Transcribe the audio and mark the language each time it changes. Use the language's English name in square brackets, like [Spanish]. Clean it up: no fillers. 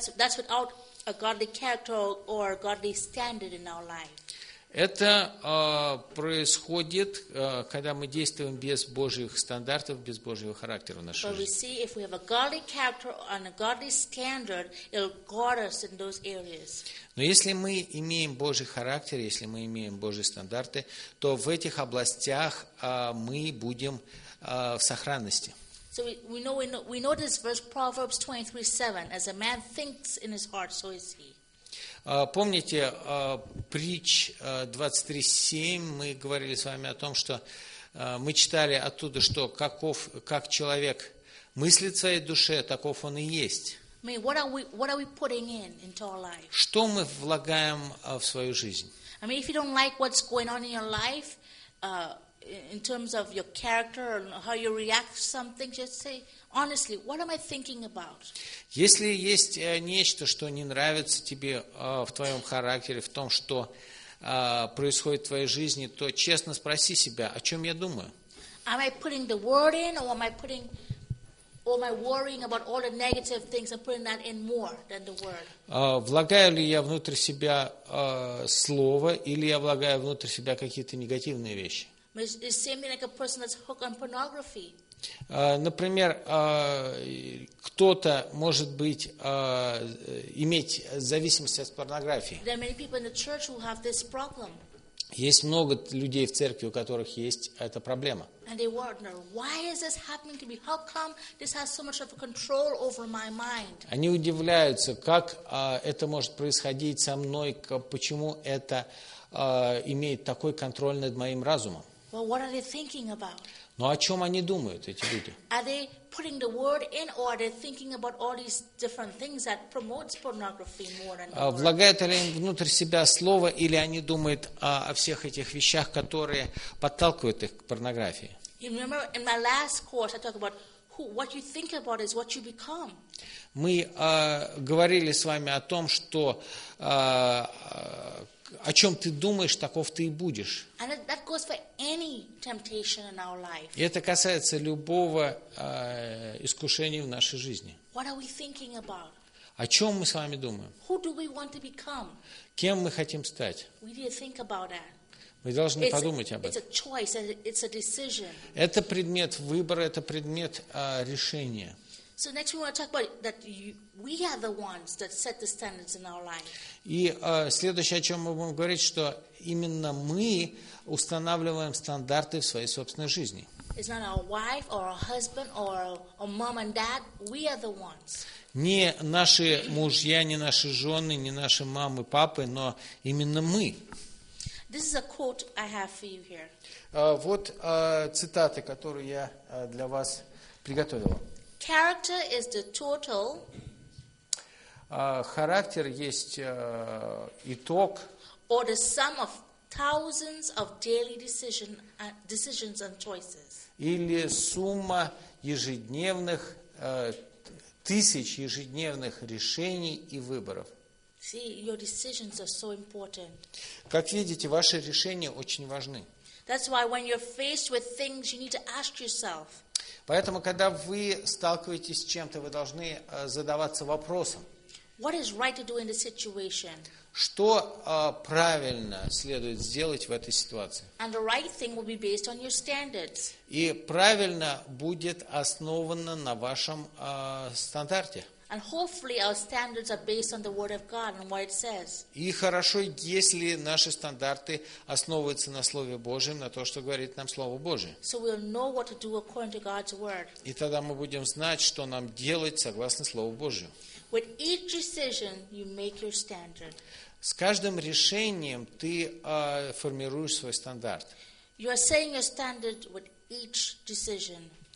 [English] That's without a godly character or a godly standard in our life. [Russian] Это происходит, когда мы действуем без Божьих стандартов, без Божьего характера в нашей жизни. [English] But we see if we have a godly character and a godly standard, it'll guard us in those areas. [Russian] Но если мы имеем Божий характер, если мы имеем Божьи стандарты, то в этих областях мы будем в сохранности. [English] So we know this verse Proverbs 23:7, as a man thinks in his heart, so is he. [Russian] Помните притч 23:7, мы говорили с вами о том, что мы читали оттуда, что как человек мыслит в своей душе, таков он и есть. [English] I mean, what are we putting into our life? [Russian] Что мы влагаем в свою жизнь? [English] I mean, if you don't like what's going on in your life, in terms of your character and how you react to something, just say honestly, what am I thinking about? [Russian] Если есть нечто, что не нравится тебе в твоем характере, в том, что происходит в твоей жизни, то честно спроси себя, о чем я думаю. [English] Am I putting the word in, or am I putting, or am I worrying about all the negative things and putting that in more than the word? [Russian] Влагаю ли я внутрь себя слово, или я влагаю внутрь себя какие-то негативные вещи? [English] It's the same thing like a person that's hooked on pornography. [Russian] Например, кто-то может быть иметь зависимость от порнографии. [English] There are many people in the church who have this problem. [Russian] Есть много людей в церкви, у которых есть эта проблема. [English] And they wonder, why is this happening to me? How come this has so much of a control over my mind? [Russian] Они удивляются, как это может происходить со мной, почему это имеет такой контроль над моим разумом. [English] Well, what are they thinking about? [Russian] Но о чем они думают, эти люди? [English] Are they putting the word in, or are they thinking about all these different things that promotes pornography more than? [Russian] Влагают ли они внутрь себя слово, или они думают о всех этих вещах, которые подталкивают их к порнографии? [English] You remember in my last course, I talked about what you think about is what you become. [Russian] Мы говорили с вами о том, что о чем ты думаешь, таков ты и будешь. [English] And that goes for any temptation in our life. [Russian] И это касается любого искушения в нашей жизни. [English] What are we thinking about? [Russian] О чем мы с вами думаем? [English] Who do we want to become? [Russian] Кем мы хотим стать? [English] We need to think about that. [Russian] Мы должны подумать об этом. [English] It's a choice, it's a decision. [Russian] Это предмет выбора, это предмет решения. [English] So next we want to talk about that we are the ones that set the standards in our life. [Russian] И следующее, о чем мы будем говорить, что именно мы устанавливаем стандарты в своей собственной жизни. [English] It's not our wife or our husband or our mom and dad. We are the ones. [Russian] Не наши мужья, не наши жены, не наши мамы, папы, но именно мы. [English] This is a quote I have for you here. [Russian] Вот цитаты, которые я для вас приготовил. [English] Character is the total. [Russian] Характер есть итог. [English] Or the sum of thousands of daily decisions and choices. [Russian] Или сумма ежедневных тысяч ежедневных решений и выборов. [English] See, your decisions are so important. [Russian] Как видите, ваши решения очень важны. [English] That's why when you're faced with things, you need to ask yourself. [Russian] Поэтому, когда вы сталкиваетесь с чем-то, вы должны задаваться вопросом. [English] What is right to do in the situation? [Russian] Что правильно следует сделать в этой ситуации? [English] And the right thing will be based on your standards. [Russian] И правильно будет основано на вашем стандарте. [English] And hopefully our standards are based on the word of God and what it says. [Russian] И хорошо, если наши стандарты основываются на слове Божьем, на то, что говорит нам слово Божье. [English] So we'll know what to do according to God's word. [Russian] И тогда мы будем знать, что нам делать согласно слову Божьему. [English] With each decision you make your standard. [Russian] С каждым решением ты формируешь свой стандарт. [English] You are setting your standard with each decision.